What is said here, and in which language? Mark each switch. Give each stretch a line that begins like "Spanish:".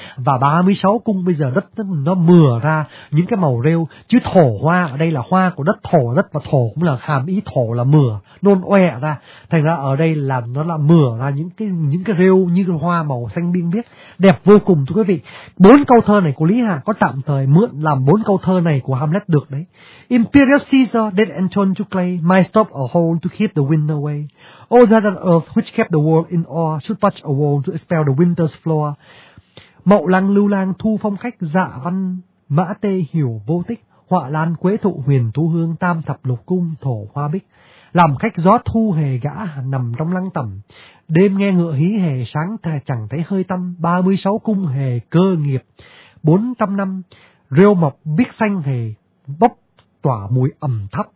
Vietnamese: Và 36 cung bây giờ đất nó mửa ra những cái màu rêu, chứ thổ hoa ở đây là hoa của đất, thổ đất, và thổ cũng là hàm ý thổ là mửa, nôn oẹ ra. Thành ra ở đây là nó là mửa ra những cái rêu như hoa màu xanh biên biếc, đẹp vô cùng thưa quý vị. Bốn câu thơ này của Lý Hạ có tạm thời mượn làm bốn câu thơ này của Hamlet được đấy.
English: Imperial Caesar dead and torn to clay, might stop a hole to keep the wind away. Oh, that an earth which kept the world in awe should patch a wall to expel the winter's floor.
Vietnamese: Mậu Lăng Lưu Lang thu phong khách, dạ văn mã tê hiểu vô tích, họa lan quế thụ huyền thú hương, tam thập lục cung thổ hoa bích. Làm khách gió thu hề gã nằm trong lăng tẩm, đêm nghe ngựa hí hề sáng thè chẳng thấy hơi tâm. 36 cung hề cơ nghiệp 400 năm, rêu mọc biết xanh hề bốc tỏa mùi ẩm thấp.